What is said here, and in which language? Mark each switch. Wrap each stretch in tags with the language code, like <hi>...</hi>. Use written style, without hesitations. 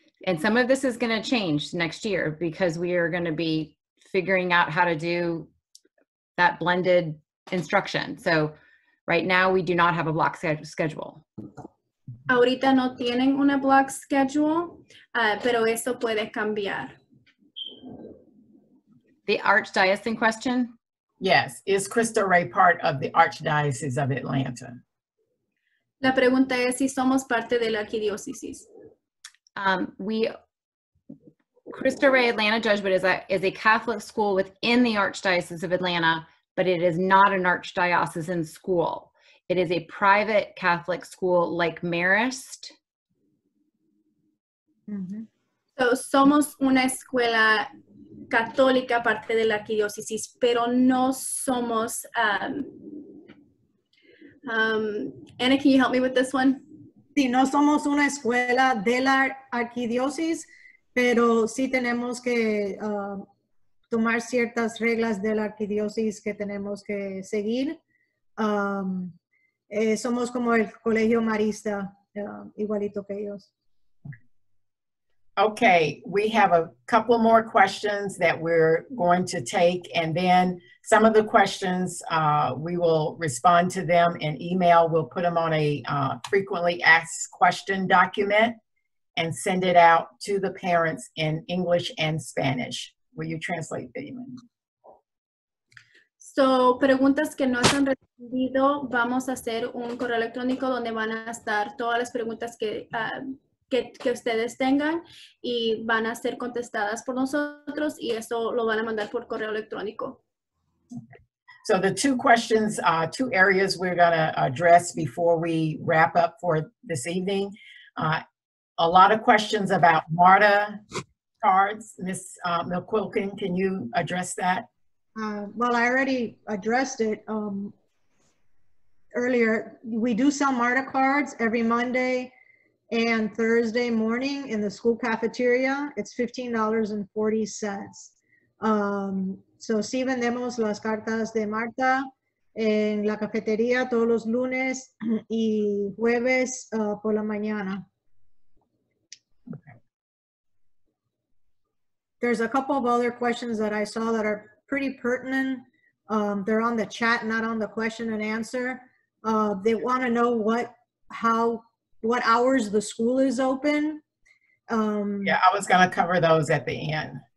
<en>And some of this is going to change next year because we are going to be figuring out how to do that blended instruction. So right now we do not have a block schedule.</en> <es>Ahorita no tienen una</es> <en>block schedule,</en> <es>pero eso puede cambiar.</es> <en>The Archdiocese in question? Yes. Is Crystal Ray part of the Archdiocese of Atlanta?</en> <es>La pregunta es si somos parte de la arquidiócesis.</es> <en>Crystal Ray Atlanta Jesuit is a Catholic school within the Archdiocese of Atlanta, but it is not an archdiocesan school. It is a private Catholic school like Marist. Mm-hmm. So,</en> <es>somos una escuela católica parte de la arquidiócesis, pero no somos.</es> <en>Anna, can you help me with this one?</en> <es>Sí, no somos una escuela de la arquidiócesis, pero sí tenemos que tomar ciertas reglas de la arquidiócesis que tenemos que seguir. Somos como el Colegio Marista, igualito que ellos.</es> <en>Okay, we have a couple more questions that we're going to take, and then some of the questions, we will respond to them in email. We'll put them on a frequently asked question document and send it out to the parents in English and Spanish. Will you translate, Benjamin? So,</en> <es>preguntas que no están respondido, vamos a hacer un correo electrónico donde van a estar todas las preguntas que ustedes tengan y van a ser contestadas por nosotros y eso lo van a mandar por correo electrónico.</es> <en>So, the two questions, two areas we're going to address before we wrap up for this evening. A lot of questions about MARTA cards. Ms. McQuilkin, can you address that? Well, I already addressed it earlier. We do sell MARTA cards every Monday and Thursday morning in the school cafeteria. It's $15.40. So</en> <es>sí vendemos las cartas de Marta en la cafetería todos los lunes y jueves por la mañana.</es> <en>There's a couple of other questions that I saw that are pretty pertinent. They're on the chat, not on the question and answer. They want to know what hours the school is open. Yeah, I was going to cover those at the end.</en>